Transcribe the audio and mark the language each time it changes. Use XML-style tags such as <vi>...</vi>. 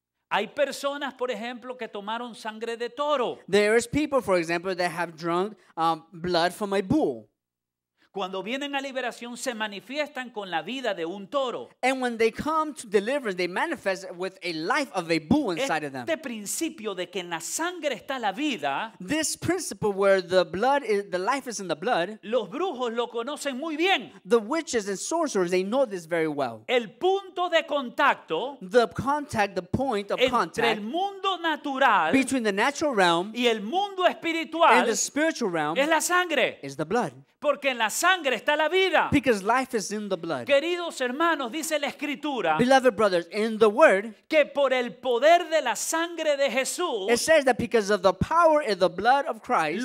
<es>Hay personas, por ejemplo, que tomaron sangre de toro.</es> <en>There is people, for example, that have drunk blood from a bull.</en> <es>Cuando vienen a liberación se manifiestan con la vida de un toro.</es> <en>And when they come to deliverance they manifest with a life of a bull inside of them.</en> <es>Este principio de que en la sangre está la vida,</es> <en>this principle where the blood is, the life is in the blood,</en> <es>los brujos lo conocen muy bien.</es> <en>The witches and sorcerers they know this very well.</en> <es>El punto de contacto,</es> <en>the contact, the point of</en> <es>entre</es> <en>contact</en> <es>entre el mundo natural</es> <en>between the natural realm</en> <es>y el mundo espiritual</es> <en>and the spiritual realm</en> <es>es la sangre.</es> <en>Is the blood.</en> <es>Porque en la sangre está la vida.</es> <en>Because life is in the blood.</en> <es>Queridos hermanos, dice la escritura.</es> <en>Beloved brothers, in the word.</en> <es>Que por el poder de la sangre de Jesús.</es> <en>It says that because of the power of the blood of Christ.</en>